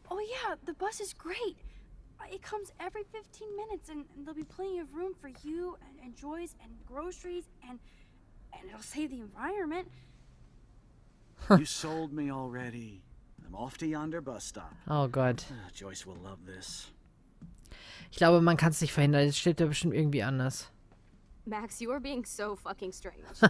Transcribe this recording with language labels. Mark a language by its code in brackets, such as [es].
[en] Oh yeah, the bus is great. It comes every 15 minutes, and there'll be plenty of room for you and Joyce and groceries, and it'll save the environment. You sold me already. I'm off to yonder bus stop. Oh God. Joyce will love this. [de] Ich glaube, man kann es nicht verhindern. Jetzt steht er bestimmt irgendwie anders. [en] Max, you are being so fucking strange.